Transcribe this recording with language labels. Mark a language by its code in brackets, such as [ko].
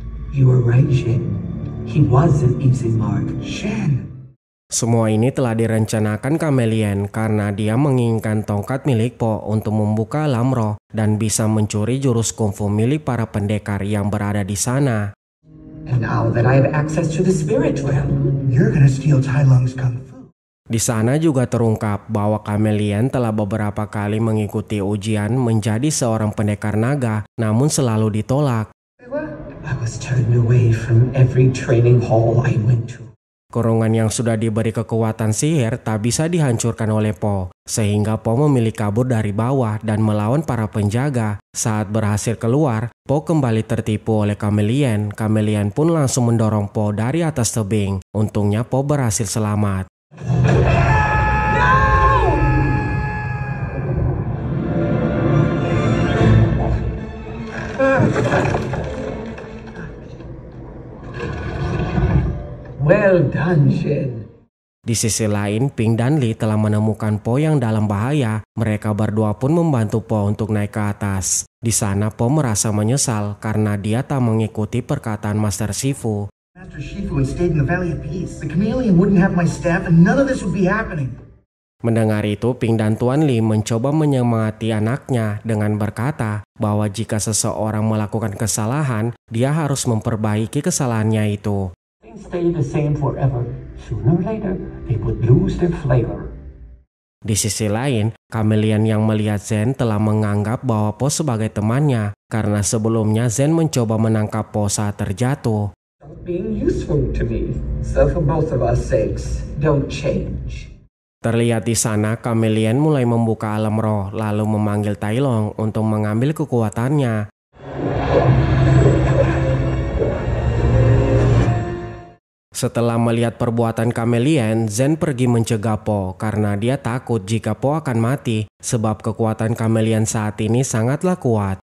[en] You were right, Shen. He was an easy mark, Shen. [id] Semua ini telah direncanakan Chameleon karena dia menginginkan tongkat milik Po untuk membuka alam roh dan bisa mencuri jurus kungfu milik para pendekar yang berada di sana. [en] And now that I have access to the spirit realm, you're gonna steal Tai Lung's kung fu. [id] Di sana juga terungkap bahwa Chameleon telah beberapa kali mengikuti ujian menjadi seorang pendekar naga, namun selalu ditolak. [en] I was turned away from every training hall I went to. [id] Kurungan yang sudah diberi kekuatan sihir tak bisa dihancurkan oleh Po, sehingga Po memilih kabur dari bawah dan melawan para penjaga. Saat berhasil keluar, Po kembali tertipu oleh Chameleon. Chameleon pun langsung mendorong Po dari atas tebing. Untungnya Po berhasil selamat. [en] Well done, Shen. [id] Di sisi lain, Ping dan Li telah menemukan Po yang dalam bahaya. Mereka berdua pun membantu Po untuk naik ke atas. Di sana, Po merasa menyesal karena dia tak mengikuti perkataan Master Shifu. [en] Master Shifu had stayed in the Valley of Peace. The Chameleon wouldn't have my staff and none of this would be happening. [id] Mendengar itu, Ping dan Tuan Li mencoba menyemangati anaknya dengan berkata bahwa jika seseorang melakukan kesalahan, dia harus memperbaiki kesalahannya itu. [en] Stay the same forever. Sooner or later, they would lose their flavor. [id] Di sisi lain, Kamelian yang melihat Zen telah menganggap bahwa Po sebagai temannya karena sebelumnya Zen mencoba menangkap Po saat terjatuh. [en] Being useful to me, so for both of our sakes, don't change. [id] Terlihat di sana, Kamelian mulai membuka alam roh lalu memanggil Tai Long untuk mengambil kekuatannya. Setelah melihat perbuatan Kamelian, Zen pergi mencegah Po karena dia takut jika Po akan mati sebab kekuatan Kamelian saat ini sangatlah kuat.